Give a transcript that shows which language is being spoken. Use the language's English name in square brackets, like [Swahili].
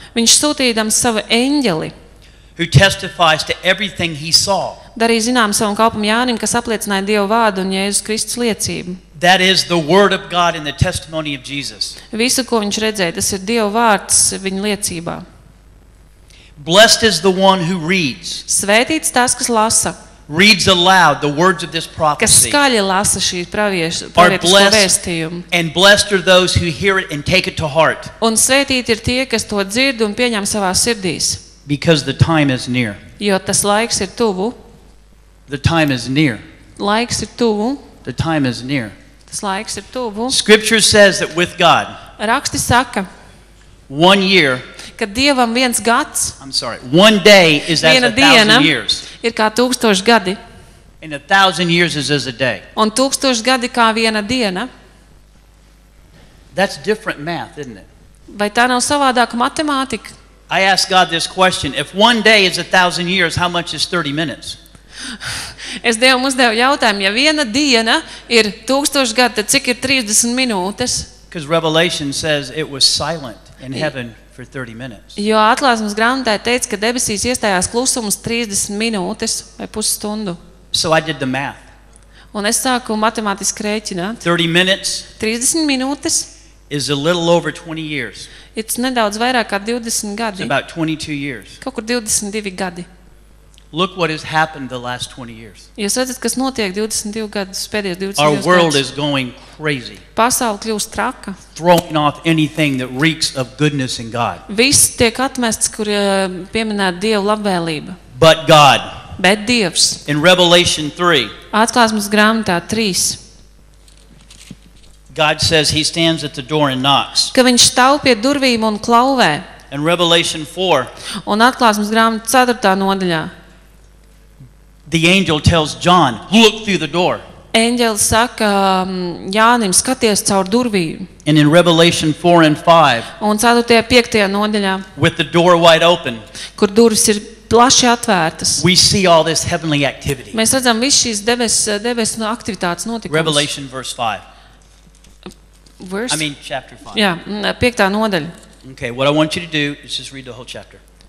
[Latvian] Viņš sūtīja savu eņģeli. [English] Who testifies to everything he saw. [Latvian] Darīja zinām savam kalpam Jānim, kas apliecināja Dieva vārdu un Jēzus Kristus liecību. [English] That is the word of God and the testimony of Jesus. [Latvian] Visu, ko viņš redzēja, tas ir Dieva vārds viņa liecībā. [English] Blessed is the one who reads. [Latvian] Svētīts tas, kas lasa. [English] Reads aloud the words of this prophecy. [Latvian] Kas skaļi lasa šī pravietisko vēstījumu. [English] And blessed are those who hear it and take it to heart. [Latvian] Un svētīti ir tie, kas to dzird un pieņem savā sirdīs. [English] Because the time is near. [Latvian] Jo tas laiks ir tuvu. [English] The time is near. [Latvian] Laiks ir tuvu. [English] The time is near. [Latvian] Tas laiks ir tuvu. [English] Scripture says that with God. [Latvian] Raksti saka. [English] One year. [Latvian] Kad Dievam viens gads. [English] I'm sorry. One day is as a thousand years. [Latvian] Ir kā tūkstoši gadi. [English] And a thousand years is as a day. [Latvian] Un tūkstoši gadi kā viena diena. [English] That's different math, isn't it? [Latvian] Vai tā nav savādāka matemātika? [English] I ask God this question. If one day is a thousand years, how much is 30 minutes? [Latvian] Es Dievam uzdevu jautājumu, ja viena diena ir 1000 gadi, tad cik ir 30 minūtes? [English] Because Revelation says it was silent in heaven for 30 minutes. [Latvian] Jo Atklāsmes grāmatā teica, ka debesīs iestājās klusums 30 minūtes vai pusstundu. [English] So I did the math. [Latvian] Un es sāku matemātiski rēķināt. [English] 30 minutes. [Latvian] 30 minūtes. [English] Is a little over 20 years. [Latvian] It's nedaudz vairāk kā 20 gadi. [English] About 22 years. [Latvian] Kaut kur 22 gadi. [English] Look what has happened the last 20 years. [Latvian] Jūs redzat, kas notiek 22 gadus, pēdējos 22 [English] gadus. Our world is going crazy. [Latvian] Pasaule kļūst traka. [English] Throwing off anything that reeks of goodness in God. [Latvian] Viss tiek atmests, kur pieminēt Dievu labvēlību. [English] But God. [Latvian] Bet Dievs. [English] In Revelation 3. [Latvian] Atklāsmes grāmatā 3. [English] God says he stands at the door and knocks. [Latvian] Ka viņš stāv pie durvīm un klauvē. [English] In Revelation 4. [Latvian] Un atklāsmes grāmatā 4. Nodaļā. [English] The angel tells John, look through the door. [Latvian] Angels saka Jānim, skaties caur durvīm. [English] And in Revelation 4 and 5. [Latvian] Un 4. 5. Nodaļā. [English] With the door wide open. [Latvian] Kur durvis ir plaši atvērtas. [English] We see all this heavenly activity. [Latvian] Mēs redzam visu šīs debesu aktivitātes notikumus. [English] Revelation verse 5. Verse? I mean chapter 5. [Latvian] Jā, 5. Nodaļa. [English] Okay, what I want you to do is just read the whole chapter.